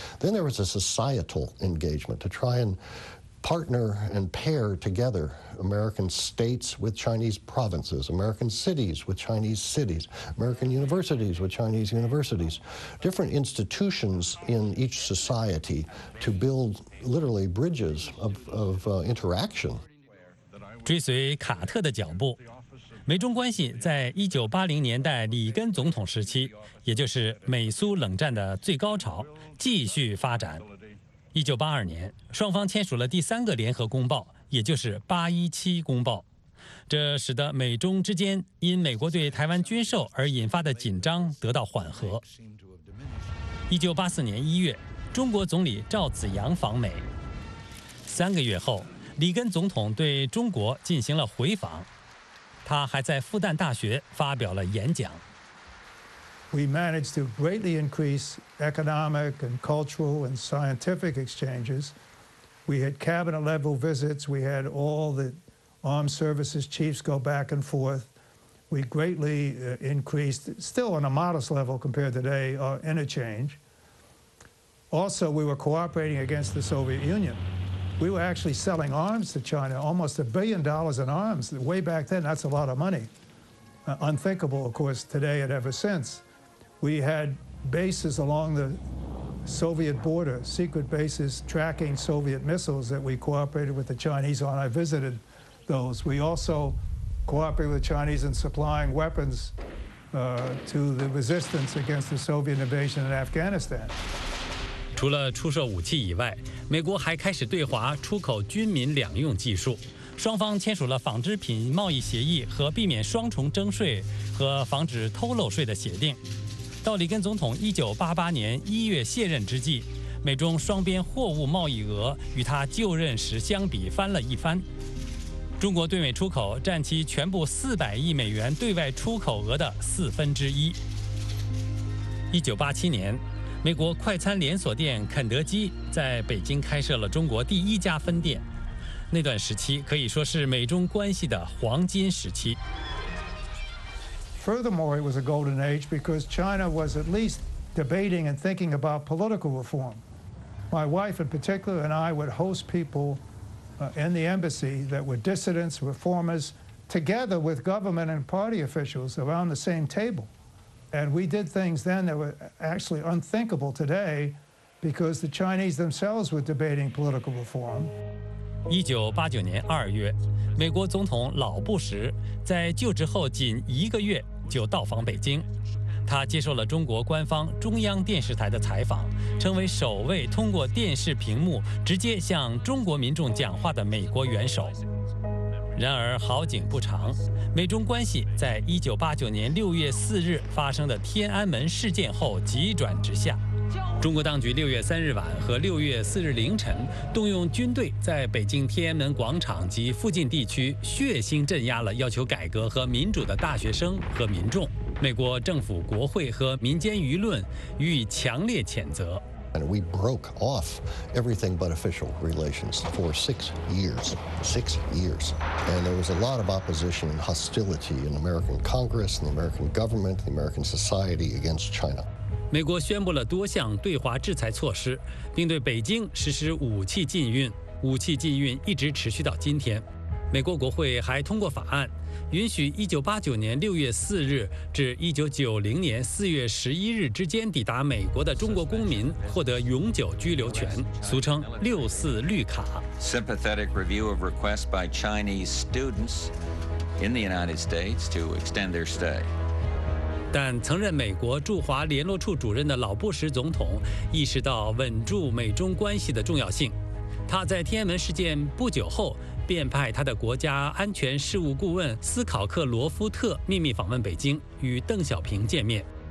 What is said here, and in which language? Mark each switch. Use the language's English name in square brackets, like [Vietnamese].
[English] Then there was a societal engagement to try and partner and pair together American states with Chinese provinces, American cities with Chinese cities, American universities with Chinese universities, different institutions in each society to build literally bridges of interaction. [Chinese] 追随卡特的脚步，美中关系在1980年代里根总统时期，也就是美苏冷战的最高潮，继续发展。 1982年，双方签署了第三个联合公报，也就是817公报，这使得美中之间因美国对台湾军售而引发的紧张得到缓和。 1984年1月，中国总理赵紫阳访美。三个月后，里根总统对中国进行了回访，他还在复旦大学发表了演讲。 [English] We managed to greatly increase economic and cultural and scientific exchanges. We had cabinet level visits. We had all the armed services chiefs go back and forth. We greatly increased, still on a modest level compared to today, our interchange. Also, we were cooperating against the Soviet Union. We were actually selling arms to China, almost $1 billion in arms. Way back then, that's a lot of money. Unthinkable, of course, today and ever since. We had bases along the Soviet border, secret bases tracking Soviet missiles that we cooperated with the Chinese on. I visited those. We also cooperated with the Chinese in supplying weapons to the resistance against the Soviet invasion in Afghanistan. [Chinese] 除了出售武器以外，美国还开始对华出口军民两用技术。双方签署了纺织品贸易协议和避免双重征税和防止偷漏税的协定。到里根总统1988年1月卸任之际，美中双边货物贸易额与他就任时相比翻了一番。中国对美出口占其全部400亿美元对外出口额的四分之一。 1987年，美国快餐连锁店肯德基在北京开设了中国第一家分店。那段时期可以说是美中关系的黄金时期。 [English] Furthermore, it was a golden age because China was at least debating and thinking about political reform. My wife in particular and I would host people in the embassy that were dissidents, reformers, together with government and party officials around the same table. And we did things then that were actually unthinkable today because the Chinese themselves were debating political reform. [Chinese] 1989年2月，美国总统老布什在就职后仅一个月就到访北京，他接受了中国官方中央电视台的采访，成为首位通过电视屏幕直接向中国民众讲话的美国元首。然而好景不长，美中关系在1989年6月4日发生的天安门事件后急转直下。中国当局6月3日晚和6月4日凌晨动用军队在北京天安门广场及附近地区血腥镇压了要求改革和民主的大学生和民众。美国政府、国会和民间舆论予以强烈谴责。 [English] And we broke off everything but official relations for 6 years. 6 years. And there was a lot of opposition and hostility in American Congress, in the American government, in the American society against China. [Chinese] 美国宣布了多项对华制裁措施，并对北京实施武器禁运。武器禁运一直持续到今天。美国国会还通过法案，允许1989年6月4日至1990年4月11日之间抵达美国的中国公民获得永久居留权，俗称六四绿卡。 [English] Sympathetic review of requests by Chinese students in the United States to extend their stay。 [Chinese] 但曾任美国驻华联络处主任的老布什总统意识到稳住美中关系的重要性，他在天安门事件不久后便派他的国家安全事务顾问斯考克罗夫特秘密访问北京，与邓小平见面。